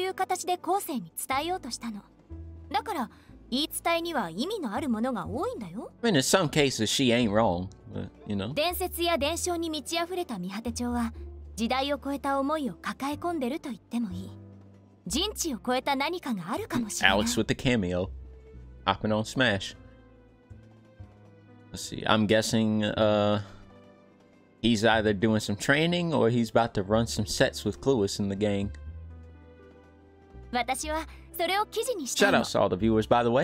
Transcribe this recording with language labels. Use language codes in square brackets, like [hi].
[ja] 昔の人は大事なメッセージを伝承という形で後世に伝えようとしたの.だから言い伝えには意味のあるものが多いんだよ. [en] I mean, in some cases, she ain't wrong, but, you know. [ja] 伝説や伝承に満ち溢れた三畑町は時代を超えた思いを抱え込んでると言ってもいい. 人知を超えた何かがあるかもしれない. [en] Alex with the cameo. Hopping on Smash. Let's see. I'm guessing, he's either doing some training or he's about to run some sets with Cluis in the gang. Shout out to all the viewers, by the way.